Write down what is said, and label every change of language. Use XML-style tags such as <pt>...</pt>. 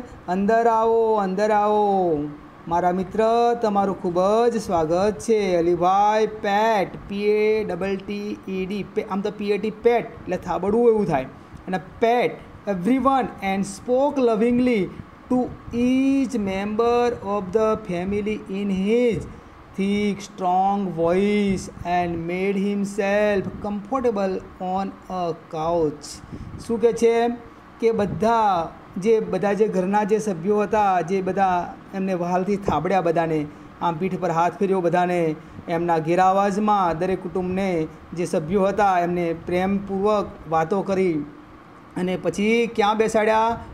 <gu>અંદર આવો મારા મિત્ર, તમારું ખૂબ જ સ્વાગત છે.</gu> <en>Alibhai pat, PATTED,</en> <gu>આમ તો PAT પેટ એટલે થાબડવું એવું થાય, અને</gu> <en>Pat every one and spoke lovingly to each member of the family in his thick, strong voice and made himself comfortable on a couch.</en> <gu>શું કહે છે કે બધા જે ઘરના જે સભ્યો હતા, જે બધા એમને વહાલથી થાબડ્યા બધાને, આમ પીઠ પર હાથ ફેર્યો બધાને, એમના ગેરાવાજમાં દરેક કુટુંબને જે સભ્યો હતા એમને પ્રેમપૂર્વક વાતો કરી, અને પછી ક્યાં બેસાડ્યા?</gu>